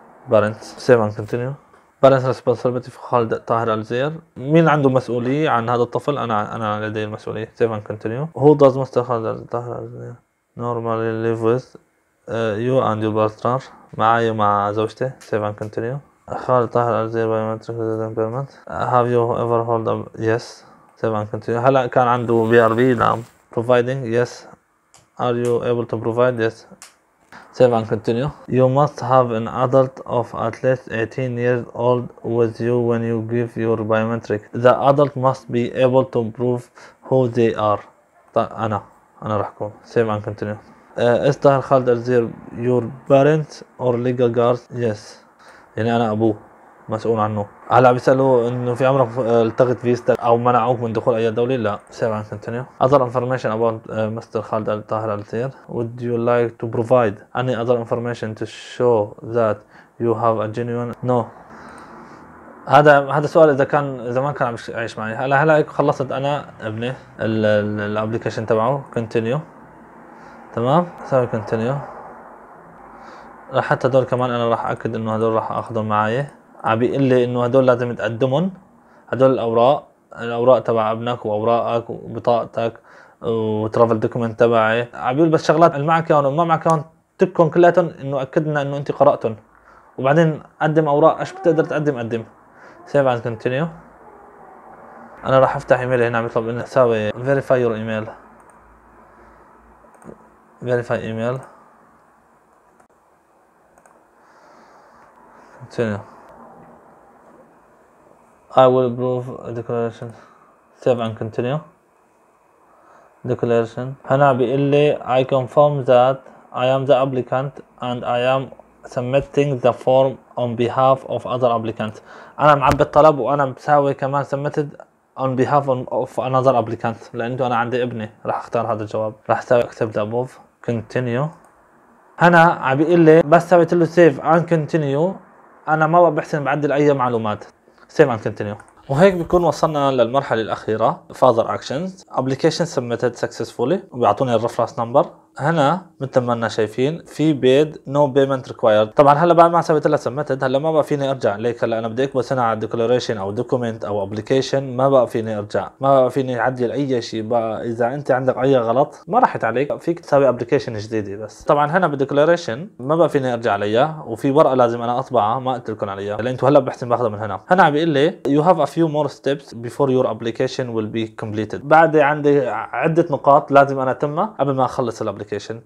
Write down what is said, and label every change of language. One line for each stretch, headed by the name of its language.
English: Parents. Save and continue. Parents' responsibility for خالد طاهر الزير.
Arabic: مين عنده مسؤولية عن هذا الطفل؟ أنا لدي المسؤولية.
English: Save and continue. Who does Mr. خالد طاهر الزير normally live with? You and your partner.
Arabic: معي ومع زوجته.
English: Save and continue. خالد طاهر الزير biometric resident permit. Have you ever held a... Yes. Save and continue.
Arabic: هلا كان عنده BRB؟ نعم.
English: Providing? Yes. Are you able to provide? Yes. Save and continue. You must have an adult of at least 18 years old with you when you give your biometric. The adult must be able to prove who they are.
Arabic: أنا راح أكون.
English: Save and continue. Is طاهر خالد الزير your parents or legal guards? Yes.
Arabic: يعني انا ابوه مسؤول عنه. هلا بيسالوا انه في عمرك التغت فيستا او منعوك من دخول اي دوله؟ لا.
English: Save and continue. Other information about mister خالد طاهر الزير. Would you like to provide any other information to show that you have a genuine? No.
Arabic: هذا سؤال اذا كان زمان كان عم يعيش معي. هلا خلصت انا ابني الابلكيشن تبعه. كونتينيو. تمام. سوي كونتينيو. حتى هدول كمان انا راح اكد انه هدول راح اخذهم معي. عم بيقول لي انه هدول لازم تقدمهم. هدول الاوراق تبع ابنك واوراقك وبطاقتك وترافل دوكيمنت تبعي. عم بيقول بس شغلات المعك هون وما معك هون تبكن كلياتهم انه اكدنا انه انت قراتهم وبعدين قدم اوراق ايش بتقدر تقدم قدم سيف اند كونتينيو. انا راح افتح ايميل هنا عم يطلب اني اسوي فيريفاي يور ايميل.
English: Verify email continue I will approve a declaration. Save and continue. Declaration.
Arabic: هنا بيقول لي
English: I confirm that I am the applicant and I am submitting the form on behalf of other applicants.
Arabic: أنا معبي الطلب وأنا بساوي كمان
English: submitted on behalf of another applicant.
Arabic: لأنه أنا عندي ابني راح أختار هذا الجواب. راح أسوي
English: accept above. Continue.
Arabic: هنا بيقول لي بس سويت له
English: save and continue.
Arabic: أنا ما بحسن بعدل أي معلومات.
English: Save and continue.
Arabic: وهيك بيكون وصلنا للمرحلة الأخيرة
English: Further Actions Application submitted successfully
Arabic: وبيعطوني الرفرنس نمبر. هنا مثل ما أنا شايفين في بيد
English: No payment required.
Arabic: طبعا هلا بعد ما سويت لها submitted هلا ما بقى فيني أرجع ليك. هلا أنا بدي أكبس هنا على Declaration أو Document أو Application ما بقى فيني أرجع ما بقى فيني أعدل أي شيء. بقى إذا أنت عندك أي غلط ما راحت عليك فيك تسوي Application جديدة. بس طبعا هنا بالDeclaration ما بقى فيني أرجع عليها وفي ورقة لازم أنا أطبعها ما قلت لكم عليها لأن أنتوا هلا بحسن باخذها من هنا. هنا عم بيقول لي
English: You have a few more steps before your application will be completed.
Arabic: بعد عندي عدة نقاط لازم أنا أتمها قبل ما أخلص الأبليكيشن.